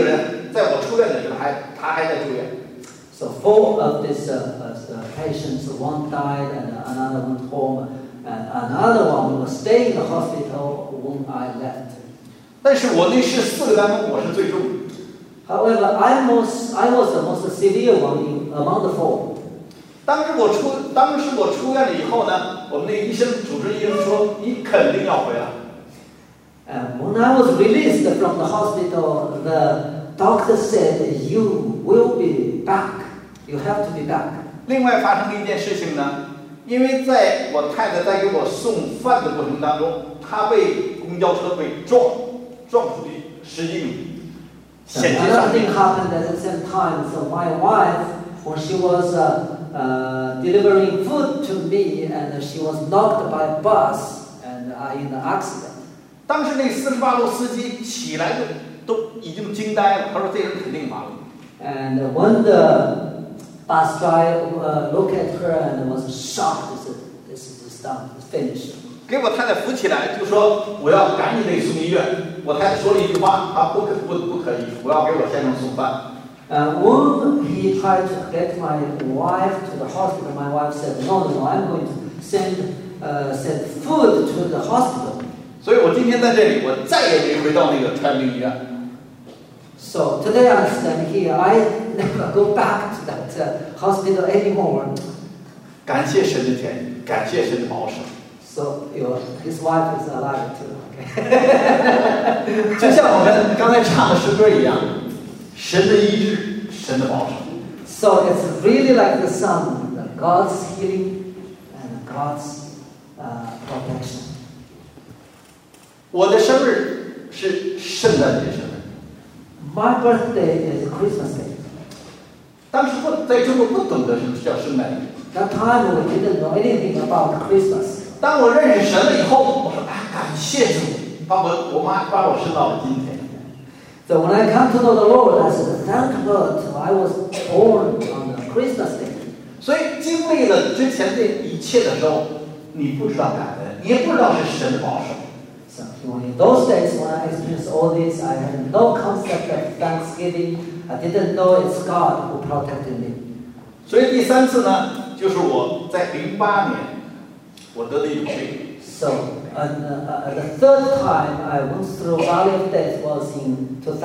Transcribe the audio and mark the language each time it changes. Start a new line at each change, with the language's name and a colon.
Chinese: 我那个四个病友，一个死了，一个又回去了。那个人在我出院的时候，他还在住院。
English: So four of these patients, one died and another went home, and another one was staying in the hospital when I left.
Chinese: 但是我那是四个当中，我是最重。
English: However, I was the most severe one among the four.
Chinese: 当时我出院了以后呢，我们那医生主治医生说，你肯定要回来。
English: When I was released from the hospital, the doctor said you will be back. You have to be back.
Chinese: 另外发生了一件事情呢，因为在我太太在给我送饭的过程当中，她被公交车给撞出去十几米。
English: Another thing happened at the same time. So my wife, when she was delivering food to me, and she was knocked by a bus and in an accident.
Chinese: 当时那48路司机起来的都已经惊呆了，他说这人肯定盲。
English: And when the bus driver looked at her and was shocked, he said, "This is stunned, finished."
Chinese: 给我太太扶起来，就说我要赶紧得送医院。我太太说了一句话，啊，不可以，我要给我先生送饭。
English: When he tried to get my wife to the hospital, my wife said, no, I'm going to send food to the hospital.
Chinese: 所以我今天在这里，我再也没回到那个川病医院。
English: So today I stand here, I never go back to that hospital anymore.
Chinese: 感谢神的怜悯，感谢神的保守。
English: So his wife is alive too. Okay.
Chinese: 就像我们刚才唱的诗歌一样。神的医治，神的保守。
English: So it's really like the song, God's healing and God's protection.
Chinese: 我的生日是圣诞节生日。
English: My birthday is Christmas Day.
Chinese: 当时我在中国不懂得什么叫圣诞节。
English: That time we didn't know anything about Christmas.
Chinese: 当我认识神了以后，我说啊，感谢主，把我生到了今天。
English: So when I come to know the Lord, I said, "Thank God, I was born on the Christmas Day."
Chinese: 所以经历了之前的一切的时候，你不知道感恩，也不知道是神的保守。
English: So in those days when I experienced all this, I had no concept of thanksgiving. I didn't know it's God who protected me.
Chinese: 所以第三次呢，就是我在2008年，我得了一种病。
English: So. And the third time I went through Valley of Death was in